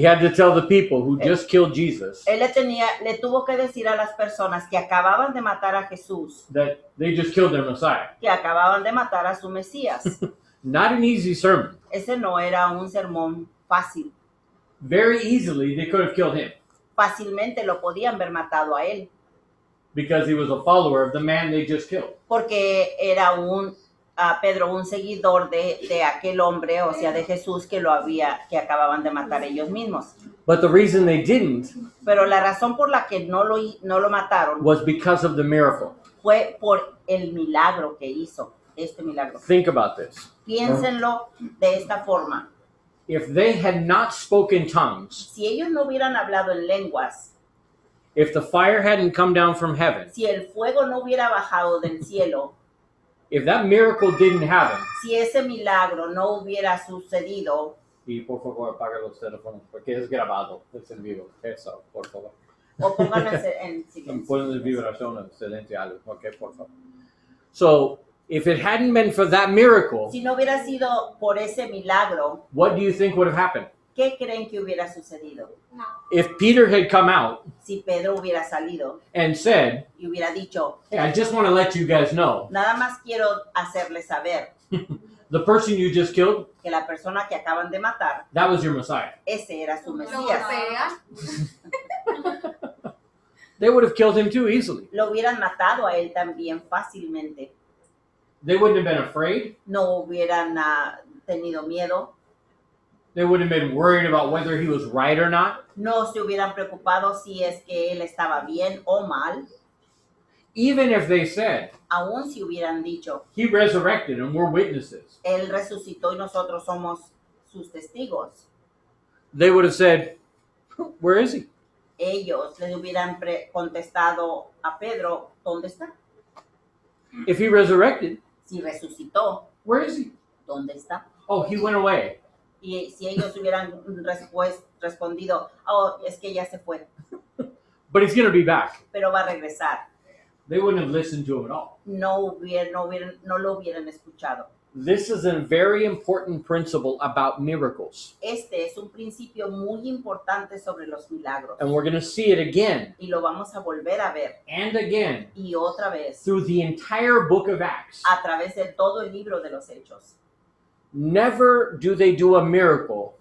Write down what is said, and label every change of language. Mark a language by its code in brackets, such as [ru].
[en] He had to tell the people who just killed Jesus. [es] Él le tuvo que decir a las personas que acababan de matar a Jesús. [en] That they just killed their Messiah. [es] Que acababan de matar a su Mesías. [en] Not an easy sermon. [es] Ese no era un sermón fácil. [en] Very easily they could have killed him. [es] Fácilmente lo podían haber matado a él. [en] Because he was a follower of the man they just killed. [es] Porque era un... Pedro, un seguidor de aquel hombre, o sea, de Jesús, que acababan de matar ellos mismos. [en] But the reason they didn't, [es] pero la razón por la que no lo mataron, [en] was because of the miracle. [es] Fue por el milagro que hizo, este milagro. [en] Think about this. [es] Piénsenlo de esta forma. [en] If they had not spoken tongues, [es] si ellos no hubieran hablado en lenguas, [en] if the fire hadn't come down from heaven, [es] si el fuego no hubiera bajado del cielo, [en] if that miracle didn't happen, [es] si ese milagro no hubiera sucedido, y por favor apaga los teléfonos porque es grabado, es en vivo, eso, por favor. O pónganse en silencio. Pónganse vibración en silencio, ok, por favor. [en] So, if it hadn't been for that miracle, [es] si no hubiera sido por ese milagro, [en] what do you think would have happened? [es] ¿Qué creen que hubiera sucedido? No. [en] If Peter had come out, [es] si Pedro hubiera salido, [en] and said, [es] y hubiera dicho, [en] hey, I just want to let you guys know, [es] nada más quiero hacerles saber, [en] the person you just killed, [es] que la persona que acaban de matar, [en] that was your Messiah. [es] Ese era su Mesías. [en] They would have killed him too easily. [es] Lo hubieran matado a él también fácilmente. [en] They wouldn't have been afraid. [es] No hubieran tenido miedo. [en] They wouldn't have been worried about whether he was right or not. [es] No se hubieran preocupado si es que él estaba bien o mal. [en] Even if they said, [es] aún si hubieran dicho, [en] he resurrected and we're witnesses. [es] Él resucitó y nosotros somos sus testigos. [en] They would have said, where is he? [es] Ellos les hubieran contestado a Pedro, ¿dónde está? [en] If he resurrected, [es] si resucitó, [en] where is he? [es] ¿Dónde está? [en] Oh, he went away. [es] Y si ellos hubieran respondido, oh, es que ya se fue. [en] But he's going to be back. [es] Pero va a regresar. [en] They wouldn't have listened to him at all. [es] No lo hubieran escuchado. [en] This is a very important principle about miracles. [es] Este es un principio muy importante sobre los milagros. [en] And we're going to see it again. [es] Y lo vamos a volver a ver. [en] And again. [es] Y otra vez. [en] Through the entire book of Acts. [es] A través de todo el libro de los Hechos. [en] Never do they do a miracle.